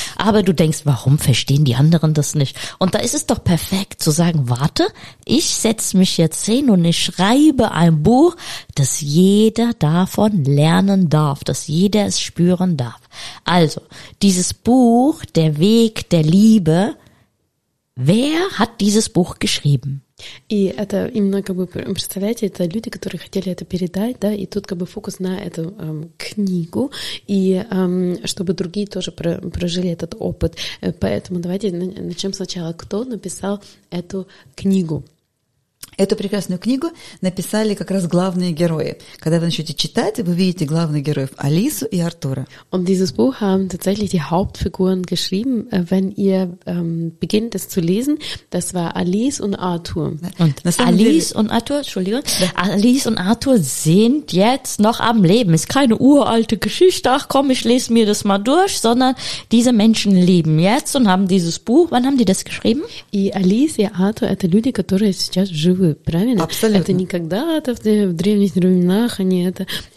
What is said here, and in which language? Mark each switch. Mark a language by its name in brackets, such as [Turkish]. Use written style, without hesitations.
[German] Aber du denkst, warum verstehen die anderen das nicht? Und da ist es doch perfekt zu sagen, warte, ich setze mich jetzt hin und ich schreibe ein Buch, dass jeder davon lernen darf, dass jeder es spüren darf. Also, dieses Buch, Der Weg der Liebe, wer hat dieses Buch geschrieben? [Russian] И это именно, как бы, представляете, это люди, которые хотели это передать, да, и тут, как бы, фокус на эту книгу, и чтобы другие тоже прожили этот опыт. Поэтому давайте начнем сначала. Кто написал эту книгу? Эту прекрасную книгу написали как раз главные герои. Когда вы начнете читать, вы видите главных героев Алису и Артура. [German] Und dieses Buch haben tatsächlich die Hauptfiguren geschrieben. Wenn ihr beginnt es zu lesen, das war Alice und Arthur. Alice und Arthur sind jetzt noch am Leben. Ist keine uralte Geschichte. Ach komm, ich lese mir das mal durch. Sondern diese Menschen leben jetzt und haben dieses Buch. Wann haben die das geschrieben? [Russian] И Алиса и Артур — это люди, которые сейчас живут. Правильно? Абсолютно. Это не когда-то в древних временах они это...